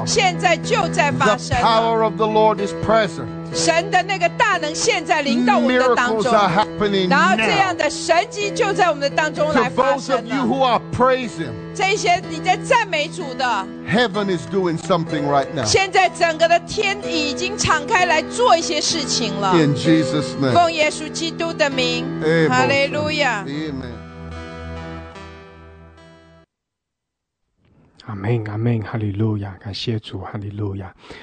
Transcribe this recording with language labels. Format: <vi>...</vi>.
<zh>然后现在就在我们当中发生了。现在就在发生了。</zh> <en>The power of the Lord is present.</en> <zh>神的那个大能现在临到我们的当中。</zh> <en>Miracles are happening now. To those of you who are praise him.</en> <zh>这些你在赞美主的,</zh> <en>Heaven is doing something right now.</en> <zh>现在整个的天已经敞开来做一些事情了。</zh> <en>In Jesus' name.</en> <zh>奉耶稣基督的名。</zh> <en>Amen. Hallelujah. Amen. Amen. Amen. Hallelujah.</en> <zh>感谢主,</zh> <en>Hallelujah.</en>